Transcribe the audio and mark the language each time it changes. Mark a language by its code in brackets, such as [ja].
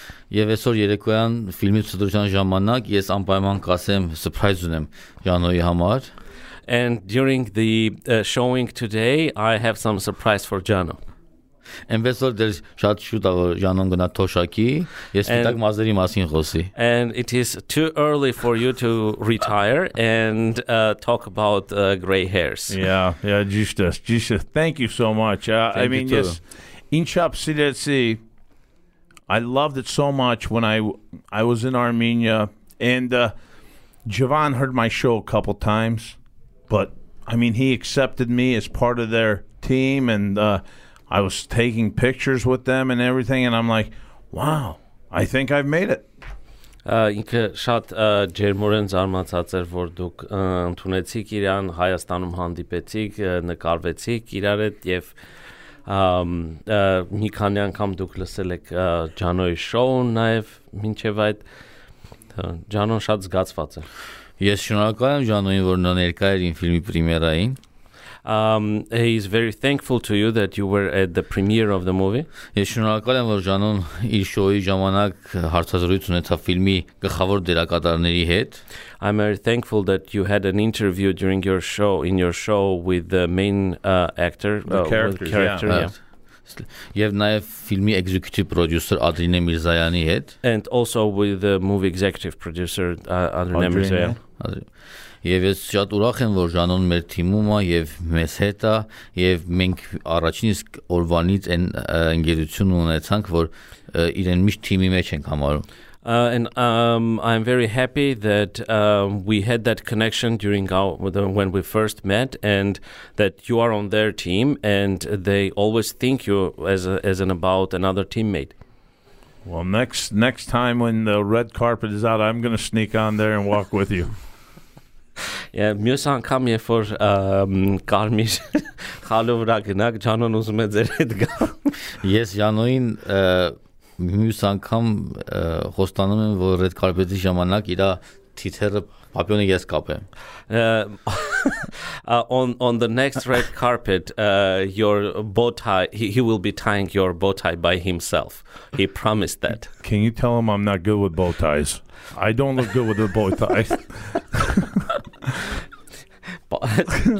[hy] Եվ այսօր երեկոյան ֆիլմի ցուցադրության ժամանակ ես անպայման կասեմ սուրպրայզ ունեմ Ջանոյի համար. [en] And during the showing today, I have some surprise for Jano. [hy] Ինվեստոր դեր շատ շուտ է որ Ջանոն գնա Թոշակի, ես սպիտակ մազերի մասին խոսի. [en] And it is too early for you to retire and talk about gray hairs. Yeah, [hy] ճիշտ է. [en] Thank you so much. I mean, yes. Inchop Sidetsi, I loved it so much when I was in Armenia, and Jivan heard my show a couple times, but I mean, he accepted me as part of their team, and I was taking pictures with them and everything, and I'm like, wow, I think I've made it. [hy] Ինքը շատ ջերմորեն զարմացած էր, որ դուք ընդունեցիք իրան, Հայաստանում հանդիպեցիք, նկարվեցիք իրար հետ, և մի քանի անգամ դուք լսել եք Ջանոյի շոուն նաև մինչև այդ, Ջանոն շատ զգացված է. Ես շնորհակալ եմ Ջանոյին, որ նա ներկա էր իմ ֆիլմի պրեմիերային. [en] He is very thankful to you that you were at the premiere of the movie. [hy] Ես շնորհակալ եմ, որ Ջանոն իր շոուի ժամանակ հարցազրույց ունեցավ ֆիլմի գլխավոր դերակատարների հետ. [en] I'm very thankful that you had an interview during your show in your show with the main actor the character. [hy] Եվ նաև ֆիլմի executive producer Adrine Mirzayani հետ. [en] And also with the movie executive producer Adrine Mirzayan. [hy] Եվ ես շատ ուրախ եմ, որ Ջանոն մեր թիմում է եւ մեզ հետ է, եւ մենք առաջին իսկ օրվանից այն ընկերությունն ունեցանք, որ իրեն միշտ թիմի մեջ ենք համարում. [en] I'm very happy that we had that connection during when we first met, and that you are on their team, and they always think you as another teammate. Well, next time when the red carpet is out, I'm going to sneak on there and walk with you. [hy] Yeah, մյուս անգամ երբ որ կարմիր խալու վրա գնաք, Ջանոն ուզում է ձեր հետ գա։ Ես Ջանոյին մյուս անգամ խոստանում եմ, որ ռեդ կարպետի ժամանակ իր թիթերը պապյոնը ես կապեմ։ [en] On the next red carpet, your bow tie, he will be tying your bow tie by himself. He promised that. Can you tell him I'm not good with bow ties? I don't look good with a bow tie.